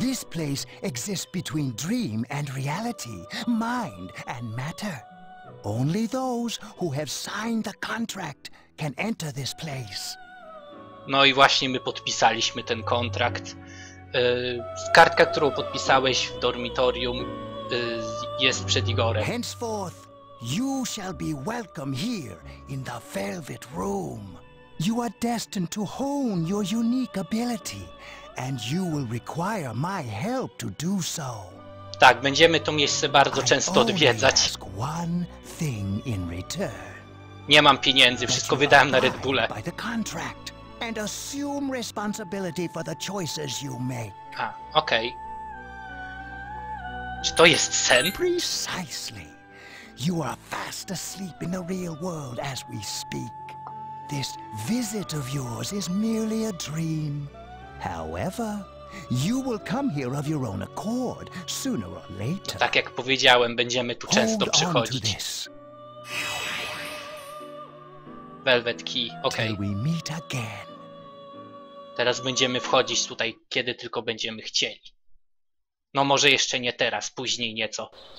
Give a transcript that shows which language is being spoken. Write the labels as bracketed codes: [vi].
[en] This place exists between dream and reality, mind and matter. Only those who have signed the contract can enter this place. [pl] No i właśnie my podpisaliśmy ten kontrakt. Kartka, którą podpisałeś w dormitorium, jest przed Igorem. [en] Henceforth, you shall be welcome here in the Velvet Room. You are destined to hone your unique ability. And you will require my help to do so. [pl] Tak, będziemy to miejsce bardzo często odwiedzać. [en] I only ask one thing in return. [pl] Nie mam pieniędzy, wszystko wydałem na Red Bulle. [en] By the contract and assume responsibility for the choices you make. [pl] A, okej. Czy to jest sen? [en] Precisely. You are fast asleep in the real world as we speak. This visit of yours is merely a dream. However, you will come here of your own accord, sooner or later. [pl] No, tak jak powiedziałem, będziemy tu często przychodzić. Velvet key, okej. [en] Till we meet again. [pl] Teraz będziemy wchodzić tutaj, kiedy tylko będziemy chcieli. No może jeszcze nie teraz, później nieco.